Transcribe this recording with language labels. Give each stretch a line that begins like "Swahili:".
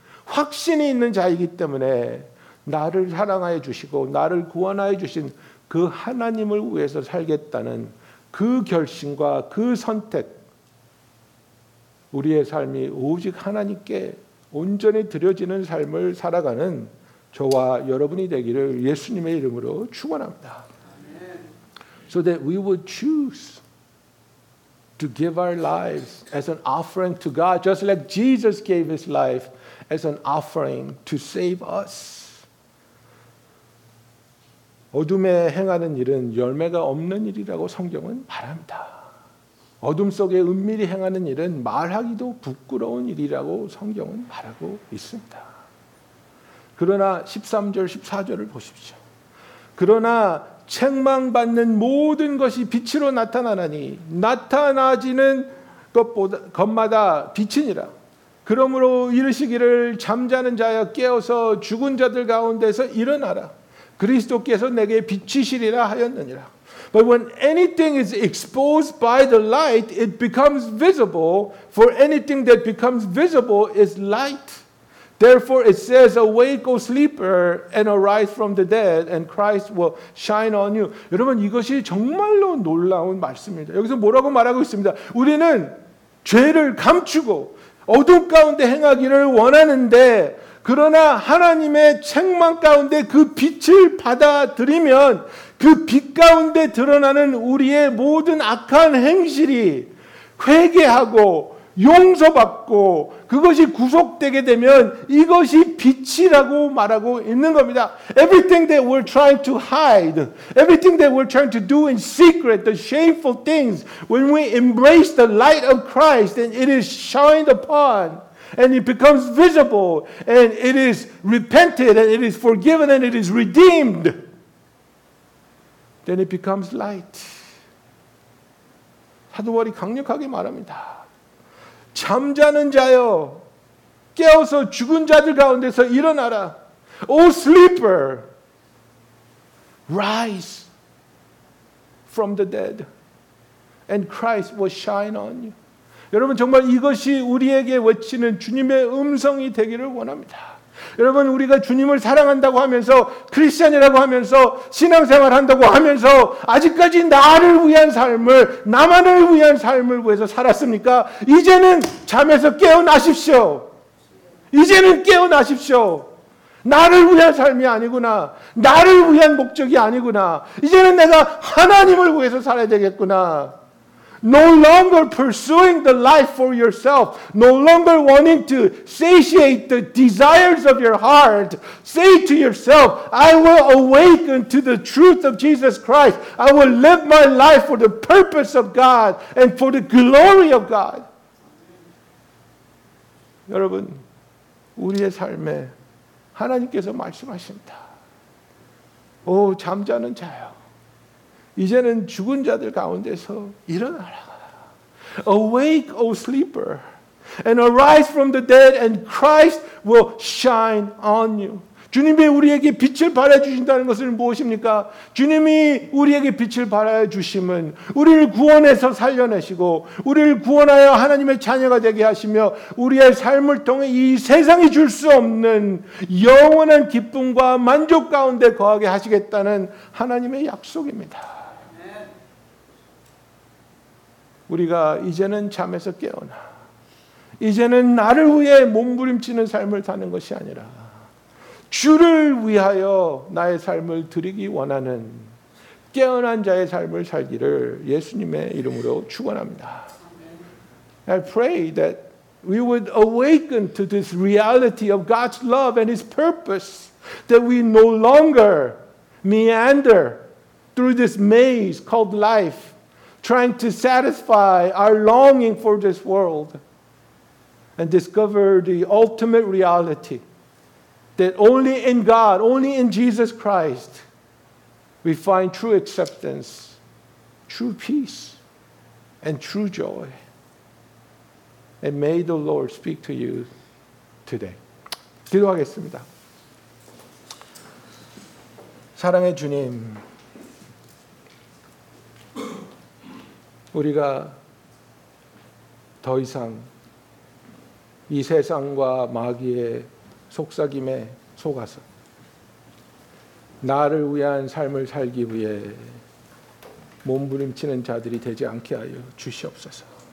Korean: 확신이 있는 자이기 때문에 나를 사랑하여 주시고 나를 구원하여 주신 그 하나님을 위해서 살겠다는 그 결심과 그 선택 우리의 삶이 오직 하나님께 온전히 드려지는 삶을 살아가는 저와 여러분이 되기를 예수님의 이름으로 축원합니다.
English: So that we would choose to give our lives as an offering to God just like Jesus gave his life as an offering to save us.
Korean: 어둠에 행하는 일은 열매가 없는 일이라고 성경은 말합니다. 어둠 속에 은밀히 행하는 일은 말하기도 부끄러운 일이라고 성경은 말하고 있습니다. 그러나 13절, 14절을 보십시오. 그러나 책망받는 모든 것이 빛으로 나타나나니 나타나지는 것보다 것마다 빛이니라. 그러므로 이르시기를 잠자는 자여 깨어서 죽은 자들 가운데서 일어나라. 그리스도께서 내게 빛이시리라 하였느니라.
English: But when anything is exposed by the light, it becomes visible. For anything that becomes visible is light. Therefore it says, Awake, O sleeper, and arise from the dead, and Christ will shine on you.
Korean: 여러분, 이것이 정말로 놀라운 말씀입니다. 여기서 뭐라고 말하고 있습니다. 우리는 죄를 감추고 어둠 가운데 행하기를 원하는데 그러나 하나님의 책망 가운데 그 빛을 받아들이면 그 빛 가운데 드러나는 우리의 모든 악한 행실이 회개하고 용서받고 그것이 구속되게 되면 이것이 빛이라고 말하고 있는 겁니다.
English: Everything that we're trying to hide, everything that we're trying to do in secret, the shameful things, when we embrace the light of Christ, then it is shined upon. And it becomes visible, and it is repented, and it is forgiven, and it is redeemed. Then it becomes light.
Korean: 사도바울이 강력하게 말합니다. 잠자는 자여, 깨어서 죽은 자들 가운데서 일어나라.
English: O sleeper, rise from the dead, and Christ will shine on you.
Korean: 여러분 정말 이것이 우리에게 외치는 주님의 음성이 되기를 원합니다. 여러분, 우리가 주님을 사랑한다고 하면서 크리스천이라고 하면서 신앙생활한다고 하면서 아직까지 나를 위한 삶을, 나만을 위한 삶을 위해서 살았습니까? 이제는 잠에서 깨어나십시오. 이제는 깨어나십시오. 나를 위한 삶이 아니구나. 나를 위한 목적이 아니구나. 이제는 내가 하나님을 위해서 살아야 되겠구나.
English: No longer pursuing the life for yourself. No longer wanting to satiate the desires of your heart. Say to yourself, I will awaken to the truth of Jesus Christ. I will live my life for the purpose of God and for the glory of God.
Korean: 여러분, 우리의 삶에 하나님께서 말씀하십니다. 오, 잠자는 자여. 이제는 죽은 자들 가운데서 일어나라.
English: Awake, O sleeper, and arise from the dead, and Christ will shine on you.
Korean: 주님이 우리에게 빛을 발해주신다는 것은 무엇입니까? 주님이 우리에게 빛을 발해주심은 우리를 구원해서 살려내시고 우리를 구원하여 하나님의 자녀가 되게 하시며 우리의 삶을 통해 이 세상이 줄 수 없는 영원한 기쁨과 만족 가운데 거하게 하시겠다는 하나님의 약속입니다. 우리가 이제는 잠에서 깨어나 이제는 나를 위해 몸부림치는 삶을 사는 것이 아니라 주를 위하여 나의 삶을 드리기 원하는 깨어난 자의 삶을 살기를 예수님의 이름으로 축원합니다.
English: I pray that we would awaken to this reality of God's love and His purpose, that we no longer meander through this maze called life, trying to satisfy our longing for this world and discover the ultimate reality that only in God, only in Jesus Christ, we find true acceptance, true peace, and true joy. And may the Lord speak to you today.
Korean: 기도하겠습니다. 사랑의 주님, 우리가 더 이상 이 세상과 마귀의 속삭임에 속아서 나를 위한 삶을 살기 위해 몸부림치는 자들이 되지 않게 하여 주시옵소서.